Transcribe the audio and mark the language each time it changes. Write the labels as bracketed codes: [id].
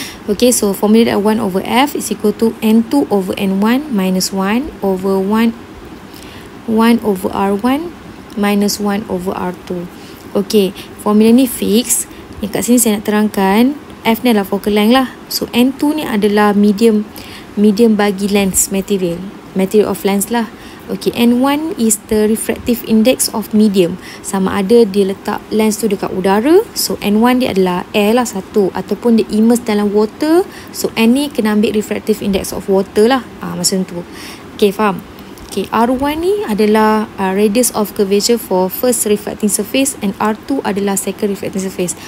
[en] Okay, so formula that 1 over F is equal to N2 over N1 minus 1 over 1 over R1 minus 1 over R2. [ms] Okay, formula ni fix. Yang kat sini saya nak terangkan, F ni adalah focal length lah. So, N2 ni adalah medium bagi lens material. [en] Material of lens [ms] lah. [en] Okay, N1 is the refractive index of medium. [ms] Sama ada dia letak lens tu dekat udara, so N1 dia adalah air lah satu. Ataupun dia immerse dalam water, so N ni kena ambil [en] refractive index of water [ms] lah. Macam tu. Okay, faham? [en] Okay, R1 ni adalah radius of curvature for first refracting surface, and R2 adalah second refracting surface.